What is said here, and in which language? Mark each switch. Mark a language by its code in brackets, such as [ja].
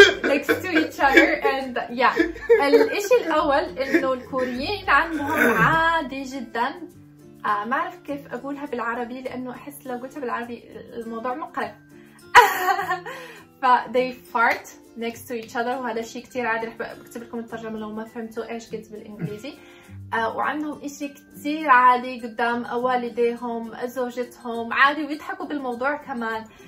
[en] Next to each other and yeah. [ar] الإشي الأول إنه الكوريين عندهم عادي جدا. ما أعرف كيف أقولها بالعربي لأنه أحس لو قلتها بالعربي الموضوع مقرف. [en] They fart next to each other [ar] وهذا شيء كتير عادي. رح بكتب لكم الترجمة لو ما فهمتوا إيش قلت بالإنجليزي. وعندهم إشي كتير عادي قدام والديهم زوجتهم عادي ويضحكوا بالموضوع كمان.